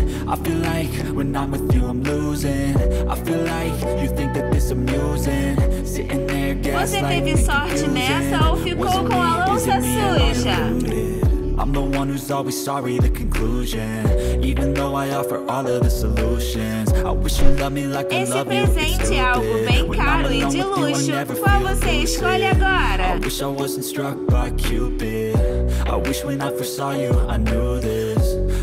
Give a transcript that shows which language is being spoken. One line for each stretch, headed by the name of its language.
English: I feel like when I'm with you I'm losing. I feel like you think that this amusing. Sitting there gaslighting.
Portuguese: Você teve sorte nessa ou ficou com a louça suja?
English: I'm the one who's always sorry, the conclusion. Even though I offer all of the solutions. I wish you loved me like I love you.
Portuguese: Esse presente é algo bem caro e de luxo. Qual você escolhe agora?
English: I wish I wasn't struck by Cupid. I wish when I first saw you I knew this.